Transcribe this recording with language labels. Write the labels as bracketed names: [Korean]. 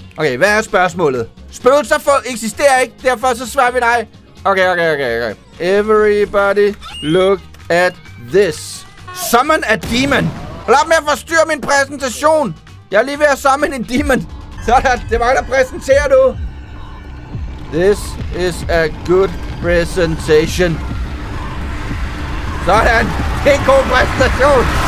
[Danish] Okay, hvad er spørgsmålet? Spøgelser for eksisterer ikke, derfor så svarer vi nej. Okay. [English] Everybody, look at this. Summon a demon. [Danish] Lad op med at forstyrre min præsentation. Jeg er lige ved at summon en demon. Sådan, det er mig, der præsenterer nu. [English] This is a good presentation. [Danish] Sådan, det er en god præsentation.